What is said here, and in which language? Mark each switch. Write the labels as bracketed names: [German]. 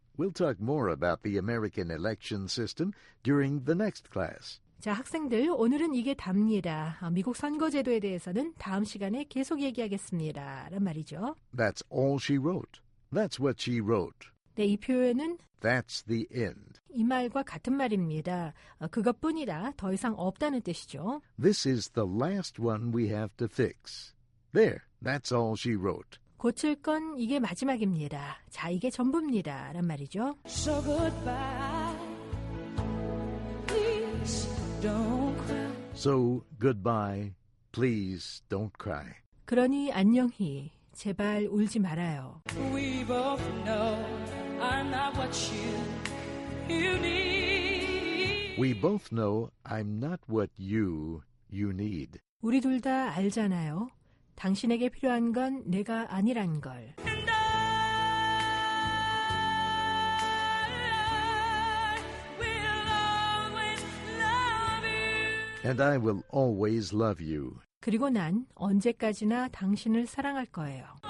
[English] We'll talk more about the American election system during the next class. [Korean] 자, 학생들, 오늘은 이게 답니다. 미국 선거제도에 대해서는 다음 시간에 계속 얘기하겠습니다. 라는 말이죠. [English] That's all she wrote. That's what she wrote. [Korean] 네, 이 표현은 [English] That's the end. [Korean] 이 말과 같은 말입니다. 그것뿐이다. 더 이상 없다는 뜻이죠. [English] This is the last one we have to fix. There, that's all she wrote. [Korean] 고칠 건 이게 마지막입니다. 자, 이게 전부입니다. 라는 말이죠. [English] So goodbye, please don't cry. So goodbye, please don't cry. [Korean] 그러니 안녕히, 제발 울지 말아요. [English] We both know I'm not what you need. We both know I'm not what you need. [Korean] 우리 둘 다 알잖아요. 당신에게 필요한 건 내가 아니란 걸. [English] And I will always love you. And I will always love you. [Korean] 그리고 난 언제까지나 당신을 사랑할 거예요.